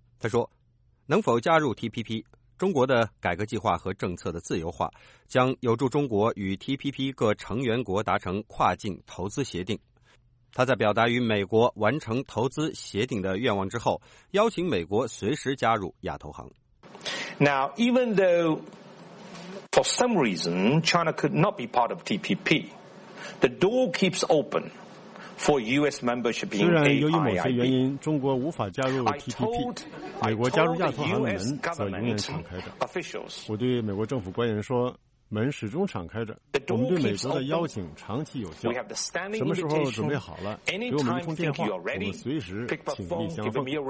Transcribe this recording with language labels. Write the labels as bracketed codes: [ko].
[zh] 他说，能否加入 TPP， 中国的改革计划和政策的自由化将有助中国与 TPP 各成员国达成跨境投资协定。他在表达与美国完成投资协定的愿望之后，邀请美国随时加入亚投行。 [en] Now, even though for some reason China could not be part of TPP, the door keeps open for US membership in AIIB. [zh] 虽然由于某些原因中国无法加入 TPP, 美国加入亚投行的门则永远敞开着。我对美国政府官员说，门始终敞开着，我们对美国的邀请长期有效。什么时候准备好了，给我们一通电话，我们随时请立相逢。